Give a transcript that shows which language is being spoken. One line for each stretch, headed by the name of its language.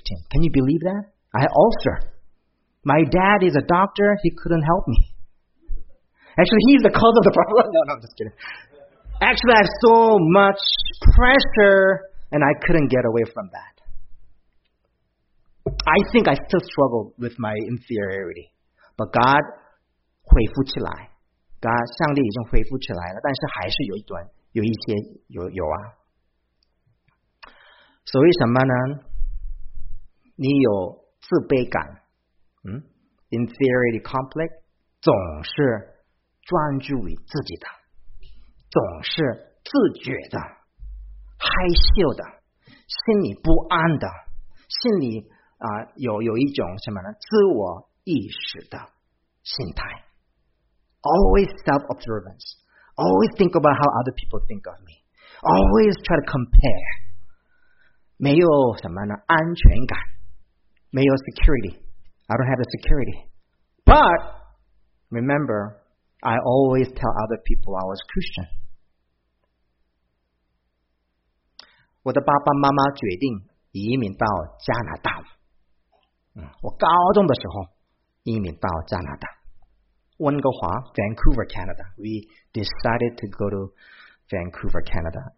English: Can you believe that? I had an ulcer. My dad is a doctor. He couldn't help me. Actually, he's the cause of the problem. No, I'm just kidding. Actually, I have so much pressure, and I couldn't get away from that. I think I still struggle with my inferiority. But God,
Chinese: 恢复起来。 God, 上帝已经恢复起来了，但是还是有一段，有一些，有啊。所以什么呢？你有自卑感，嗯 ，
English: inferiority complex，
Chinese: 总是专注于自己的，总是自觉的、害羞的、心里不安的、心里啊、有一种什么呢？自我意识的心态
English: ，always self-observance，always think about how other people think of me，always try to compare，
Chinese: 没有什么呢？安全感。没有
English: security. I don't have the security. But, remember, I always tell other people I was Christian.
Chinese: 我的爸爸妈妈决定移民到加拿大。我高中的时候移民到加拿大。
English: 温哥华 Vancouver, Canada. We decided to go to Vancouver, Canada.